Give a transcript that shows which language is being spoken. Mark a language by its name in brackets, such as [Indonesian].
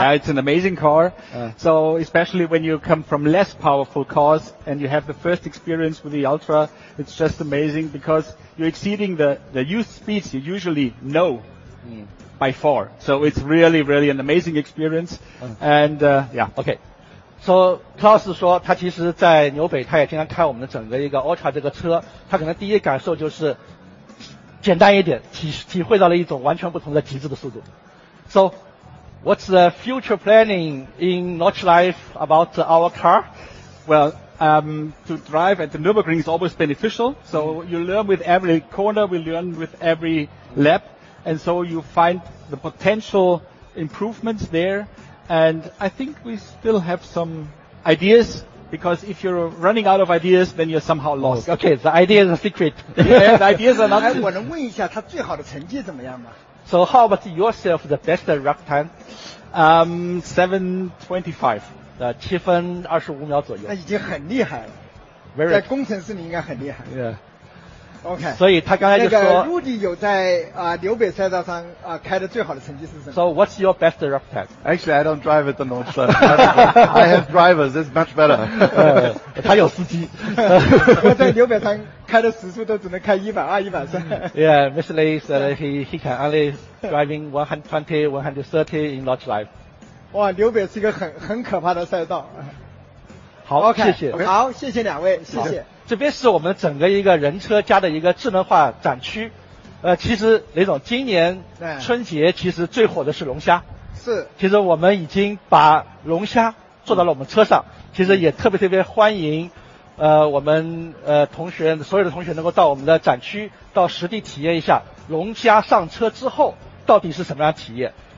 [English] Yeah, it's an amazing car. So especially when you come from less powerful cars and you have the first experience with the Ultra, it's just amazing because you're exceeding the youth speeds you usually know. By far. So it's really, really an amazing experience. And, yeah. Okay. [Chinese] So, Klaus 说他其实在纽北他也经常开我们的整个一个 Ultra 这个车，他可能第一感受就是简单一点，体会到了一种完全不同的极致的速度。 [English] So, what's the future planning in Notch Life about our car? Well,to drive at the Nürburgring is always beneficial. So you learn with every corner, we learn with every lap. And so you find the potential improvements there. And I think we still have some ideas, because if you're running out of ideas, then you're somehow lost. Okay, the idea is a secret. Yeah, the ideas are not... [Chinese] 我能问一下他最好的成绩怎么样吗？ [English] So how about yourself, the best lap time? 7.25. [Chinese] 7:25左右。那已经很厉害了。 [English] Very... [Chinese] 在工程师里应该很厉害。 [English] Yeah. Okay, [Chinese] 所以他刚才就说，那个 Rudy 有在纽北赛道上开的最好的成绩是什么 [English] ？So what's your best lap time? Actually, I don't drive at the Nordschleife. I have drivers. It's much better. [Chinese] 他有司机。我在纽北上开的时速都只能开120、130。 [English] Yeah, Mr. Lee said he can only driving 120, 130 in Nordschleife. [Chinese] 哇，纽北是一个很可怕的赛道。好， [English] okay, [Chinese] 谢谢。 Okay. 好，谢谢两位，谢谢。这边是我们整个一个人车加的一个智能化展区，其实雷总，今年春节其实最火的是龙虾，是，其实我们已经把龙虾做到了我们车上，其实也特别欢迎，我们同学所有的同学能够到我们的展区，到实地体验一下龙虾上车之后到底是什么样的体验。